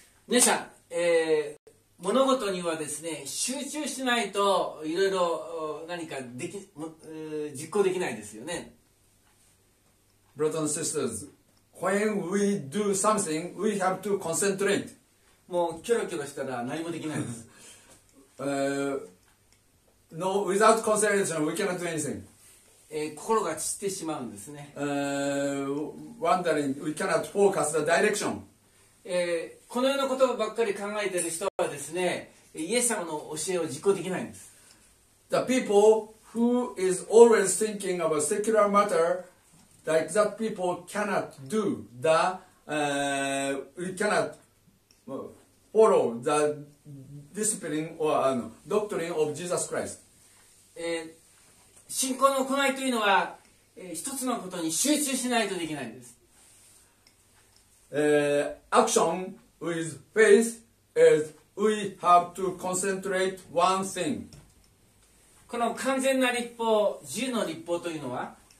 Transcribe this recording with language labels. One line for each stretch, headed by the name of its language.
Japanese: 皆さん、物事にはですね、集中しないといろいろ何かでき、実行できないですよね。
English: Brothers and sisters, when we do something, we have to concentrate.
Japanese: もうキョロキョロしたら何もできないです。
English: No, without concentration, we cannot do anything.
Japanese: 心が散ってしまうんですね。
English: Wandering, we cannot focus the direction.
Japanese: このようなことばっかり考えている人はですね、イエス様の教えを実行できないんです。
English: The people who is always thinking about secular matter like that people cannot do the we cannot follow the discipline or doctrine of Jesus Christ。
Japanese: 信仰の行いというのは、一つのことに集中しないとできないんです。
English: Action with faith is we have to concentrate one thing.
Japanese: この完全な立法、自由の立法というのは、